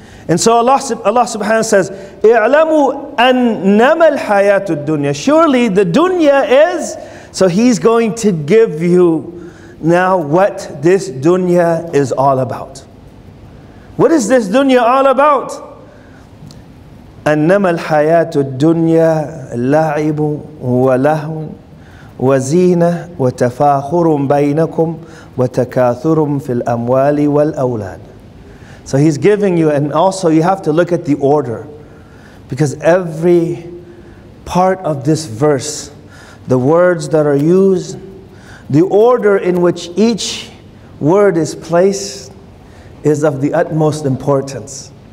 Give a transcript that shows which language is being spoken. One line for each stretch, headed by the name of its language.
English: And so Allah subhanahu says,
Arabic: اعلموا أنما الحياة الدنيا.
English: Surely the dunya is, so he's going to give you now what this dunya is all about. What is this dunya all about?
Arabic: أنما الحياة الدنيا لعب ولهو وزينة وتفاخر بينكم وتكاثر في الأموال والأولاد.
English: So he's giving you, and also you have to look at the order, because every part of this verse, the words that are used, the order in which each word is placed is of the utmost importance.